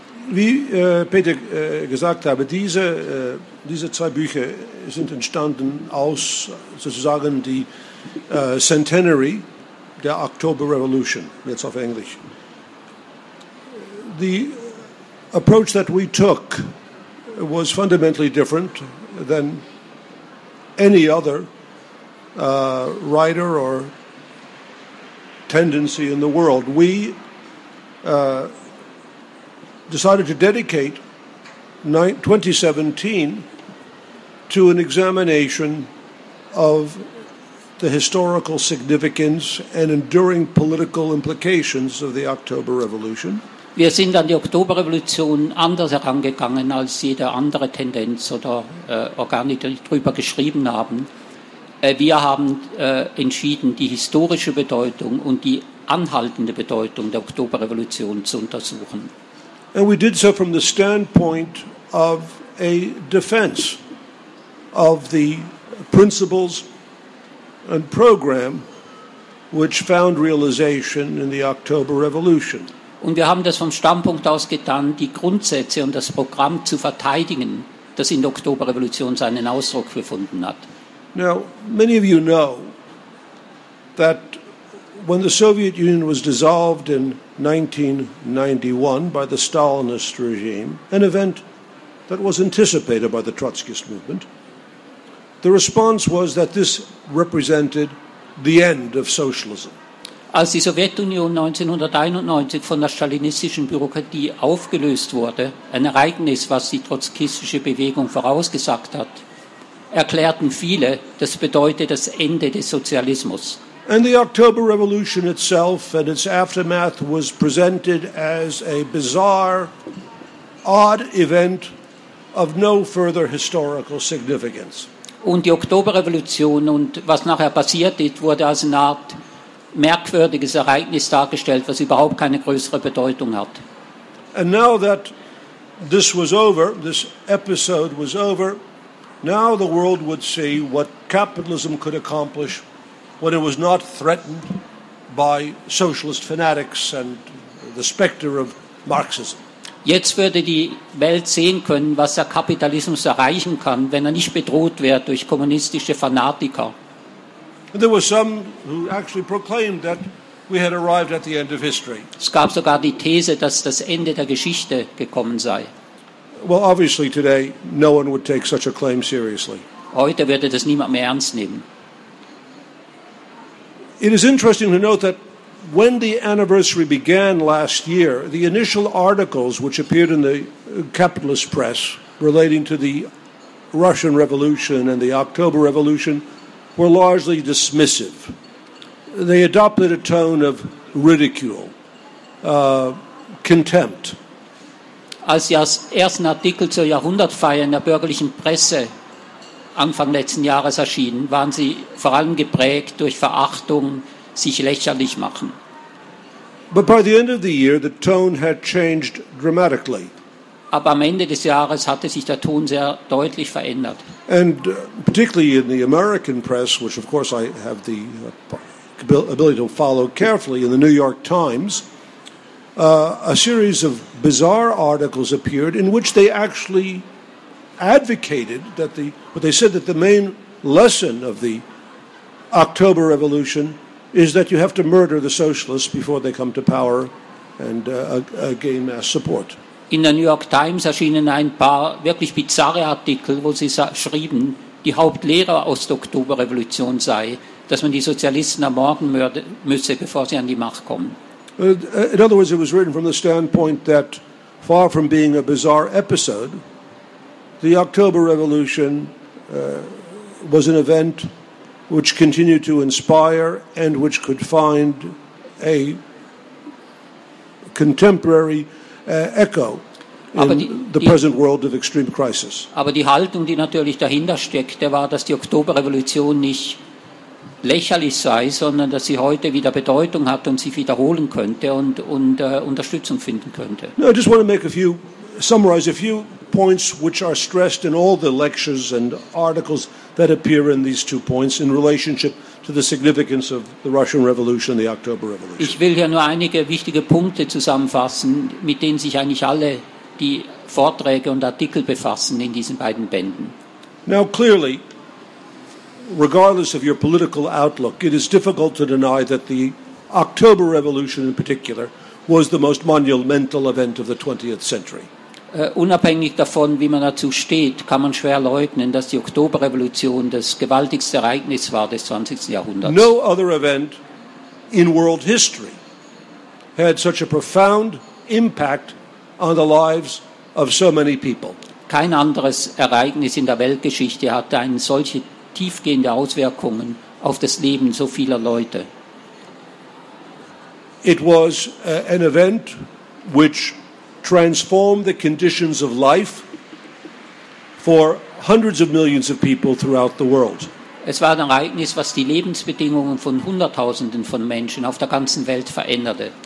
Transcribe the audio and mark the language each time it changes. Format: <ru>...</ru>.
<de>Wie Peter gesagt habe, diese zwei Bücher sind entstanden aus sozusagen die Centenary der October Revolution, jetzt auf Englisch.</de> <en>The approach that we took was fundamentally different than any other writer or tendency in the world. We decided to dedicate 2017 to an examination of the historical significance and enduring political implications of the October Revolution.</en> <de>Wir sind an die Oktoberrevolution anders herangegangen als jede andere Tendenz oder Organe, die darüber geschrieben haben. Wir haben entschieden, die historische Bedeutung und die anhaltende Bedeutung der Oktoberrevolution zu untersuchen.</de> <en>And we did so from the standpoint of a defense of the principles and program which found realization in the October Revolution.</en> <de>Und wir haben das vom Standpunkt aus getan, die Grundsätze und das Programm zu verteidigen, das in der Oktoberrevolution seinen Ausdruck gefunden hat.</de> <en>Now, many of you know that when the Soviet Union was dissolved in 1991 by the Stalinist regime, an event that was anticipated by the Trotskyist movement, the response was that this represented the end of socialism.</en> <de>Als die Sowjetunion 1991 von der stalinistischen Bürokratie aufgelöst wurde, ein Ereignis, was die trotzkistische Bewegung vorausgesagt hat, erklärten viele, das bedeute das Ende des Sozialismus.</de> <en>And the October Revolution itself and its aftermath was presented as a bizarre, odd event of no further historical significance.</en> <de>Und die Oktoberrevolution und was nachher passiert ist, wurde als eine Art merkwürdiges Ereignis dargestellt, was überhaupt keine größere Bedeutung hat.</de> <en>And now that this was over, this episode was over, now the world would see what capitalism could accomplish when it was not threatened by socialist fanatics and the specter of Marxism.</en> <de>Jetzt würde die Welt sehen können, was der Kapitalismus erreichen kann, wenn er nicht bedroht wird durch kommunistische Fanatiker.</de> <en>There were some who actually proclaimed that we had arrived at the end of history.</en> <de>Es gab sogar die These, dass das Ende der Geschichte gekommen sei.</de> <en>Well, obviously today no one would take such a claim seriously.</en> <de>Heute würde das niemand mehr ernst nehmen.</de> <en>It is interesting to note that when the anniversary began last year, the initial articles which appeared in the capitalist press relating to the Russian Revolution and the October Revolution were largely dismissive. They adopted a tone of ridicule, contempt.</en> <de>Als die ersten Artikel zur Jahrhundertfeier in der bürgerlichen Presse Anfang letzten Jahres erschienen, waren sie vor allem geprägt durch Verachtung, sich lächerlich machen.</de> <en>But by the end of the year, the tone had changed dramatically.</en> <de>Aber am Ende des Jahres hatte sich der Ton sehr deutlich verändert.</de> <en>And particularly in the American press, which of course I have the ability to follow carefully, in the New York Times, a series of bizarre articles appeared in which they actually advocated that they said that the main lesson of the October Revolution is that you have to murder the socialists before they come to power and gain mass support.</en> <de>In der New York Times erschienen ein paar wirklich bizarre Artikel, wo sie schrieben, die Hauptlehre aus der Oktoberrevolution sei, dass man die Sozialisten ermorden müsse, bevor sie an die Macht kommen.</de> <en>In other words, it was written from the standpoint that far from being a bizarre episode, the October Revolution was an event which continued to inspire and which could find a contemporary echo in the present world of extreme crisis.</en> <de>Aber die Haltung, die natürlich dahinter steckte, war, dass die Oktoberrevolution nicht lächerlich sei, sondern dass sie heute wieder Bedeutung hat und sich wiederholen könnte und Unterstützung finden könnte.</de> <en>No, I just want to make a few, summarize a few points which are stressed in all the lectures and articles that appear in these two points in relationship to the significance of the Russian Revolution, the October Revolution.</en> <de>Ich will hier nur einige wichtige Punkte zusammenfassen, mit denen sich eigentlich alle die Vorträge und Artikel befassen in diesen beiden Bänden.</de> <en>Now clearly, regardless of your political outlook, it is difficult to deny that the October Revolution in particular was the most monumental event of the 20th century.</en> <de>Unabhängig davon, wie man dazu steht, kann man schwer leugnen, dass die Oktoberrevolution das gewaltigste Ereignis war des 20. Jahrhunderts.</de> <en>No other event in world history had such a profound impact on the lives of so many people.</en> <de>Kein anderes Ereignis in der Weltgeschichte hatte eine solche tiefgehende Auswirkungen auf das Leben so vieler Leute.</de> <en>It was an event which transformed the conditions of life for hundreds of millions of people throughout the world.</en> <de>Es war ein Ereignis, was die Lebensbedingungen von Hunderttausenden von Menschen auf der ganzen Welt veränderte.</de>